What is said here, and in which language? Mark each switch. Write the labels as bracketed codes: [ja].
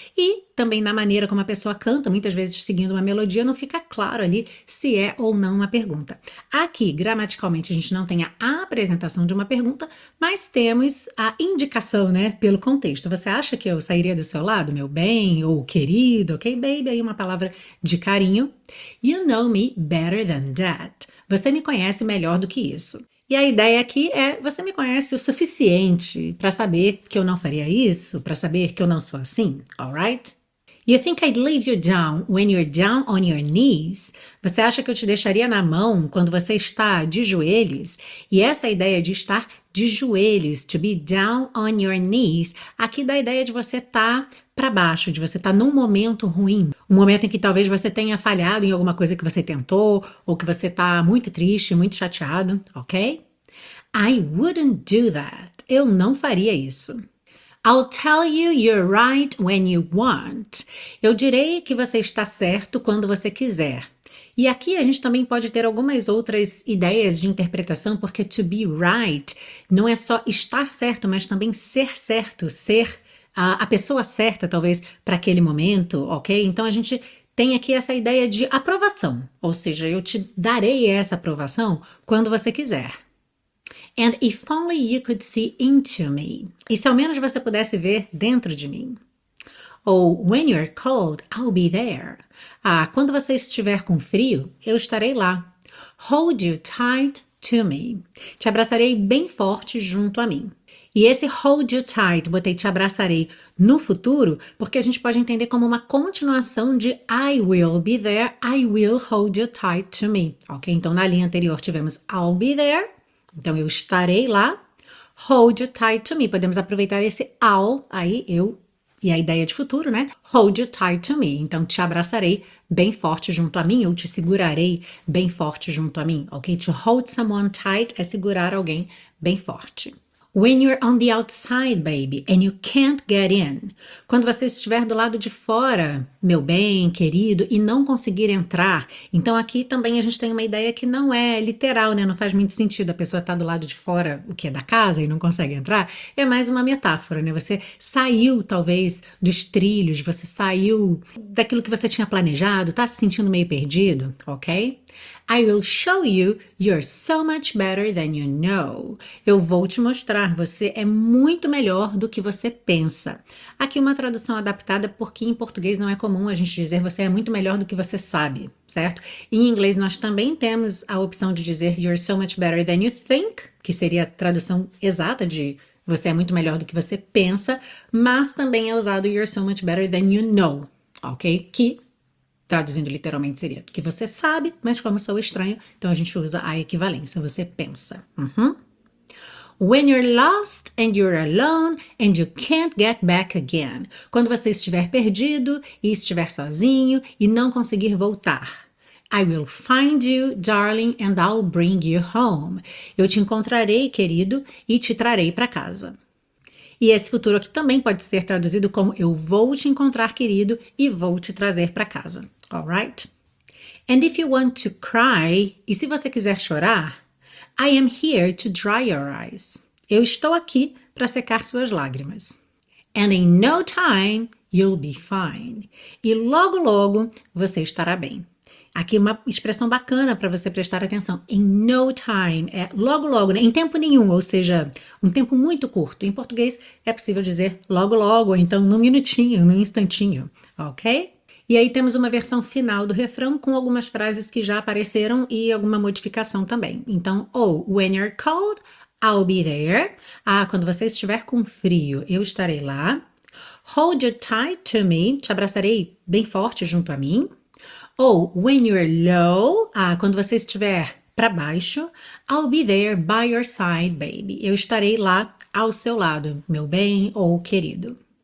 [pt] E também na maneira como a pessoa canta, muitas vezes seguindo uma melodia, não fica claro ali se é ou não uma pergunta. Aqui, gramaticalmente, a gente não tem a apresentação de uma pergunta, mas temos a indicação, né, pelo contexto. Você acha que eu sairia do seu lado, meu bem, ou querido, ok, baby? Aí uma palavra de carinho. [en] You know me better than that. [pt] Você me conhece melhor do que isso. E a ideia aqui é, você me conhece o suficiente para saber que eu não faria isso, para saber que eu não sou assim, alright? [en] You think I'd leave you down when you're down on your knees? [pt] Você acha que eu te deixaria na mão quando você está de joelhos? E essa ideia de estar de joelhos, [en] to be down on your knees, [pt] aqui dá a ideia de você estar para baixo, de você estar num momento ruim. Um momento em que talvez você tenha falhado em alguma coisa que você tentou, ou que você está muito triste, muito chateado, ok? [en] I wouldn't do that. [pt] Eu não faria isso. [en] I'll tell you you're right when you want. [pt] Eu direi que você está certo quando você quiser. E aqui a gente também pode ter algumas outras ideias de interpretação, porque [en] to be right [pt] não é só estar certo, mas também ser certo, ser a pessoa certa, talvez, para aquele momento, ok? Então a gente tem aqui essa ideia de aprovação, ou seja, eu te darei essa aprovação quando você quiser. [en] And if only you could see into me. [pt] E se ao menos você pudesse ver dentro de mim. [en] Ou when you're cold, I'll be there. [pt] Ah, quando você estiver com frio, eu estarei lá. [en] Hold you tight to me. [pt] Te abraçarei bem forte junto a mim. E esse [en] hold you tight, [pt] botei te abraçarei no futuro, porque a gente pode entender como uma continuação de [en] I will be there, I will hold you tight to me. [pt] Ok? Então na linha anterior tivemos [en] I'll be there. [pt] Então, eu estarei lá. [en] Hold you tight to me. [pt] Podemos aproveitar esse I'll, aí eu e a ideia de futuro, né? [en] Hold you tight to me. [pt] Então, te abraçarei bem forte junto a mim. Eu te segurarei bem forte junto a mim. Ok? [en] To hold someone tight [pt] é segurar alguém bem forte. [en] When you're on the outside, baby, and you can't get in. [pt] Quando você estiver do lado de fora, meu bem, querido, e não conseguir entrar. Então aqui também a gente tem uma ideia que não é literal, né? Não faz muito sentido a pessoa estar tá do lado de fora, o que é da casa, e não consegue entrar. É mais uma metáfora, né? Você saiu, talvez, dos trilhos, você saiu daquilo que você tinha planejado, tá se sentindo meio perdido, ok? [en] I will show you you're so much better than you know. [pt] Eu vou te mostrar, você é muito melhor do que você pensa. Aqui uma tradução adaptada, porque em português não é comum a gente dizer você é muito melhor do que você sabe, certo? Em inglês nós também temos a opção de dizer [en] you're so much better than you think, [pt] que seria a tradução exata de você é muito melhor do que você pensa, mas também é usado [en] you're so much better than you know, [pt] ok? Que traduzindo literalmente seria que você sabe, mas como sou estranho, então a gente usa a equivalência, você pensa. [en] When you're lost and you're alone and you can't get back again. [pt] Quando você estiver perdido e estiver sozinho e não conseguir voltar. [en] I will find you, darling, and I'll bring you home. [pt] Eu te encontrarei, querido, e te trarei para casa. E esse futuro aqui também pode ser traduzido como eu vou te encontrar, querido, e vou te trazer para casa. Alright? [en] And if you want to cry, [pt] e se você quiser chorar, [en] I am here to dry your eyes. [pt] Eu estou aqui para secar suas lágrimas. [en] And in no time, you'll be fine. [pt] E logo, logo, você estará bem. Aqui uma expressão bacana para você prestar atenção. [en] In no time, [pt] é logo, logo, né? Em tempo nenhum, ou seja, um tempo muito curto. Em português, é possível dizer logo, logo, ou então num minutinho, num instantinho, ok? E aí temos uma versão final do refrão com algumas frases que já apareceram e alguma modificação também. [en] Então, ou when you're cold, I'll be there. [pt] Ah, quando você estiver com frio, eu estarei lá. [en] Hold you tight to me, [pt] te abraçarei bem forte junto a mim. [en] Ou when you're low, [pt] ah, quando você estiver para baixo, [en] I'll be there by your side, baby. [pt] Eu estarei lá ao seu lado, meu bem ou querido.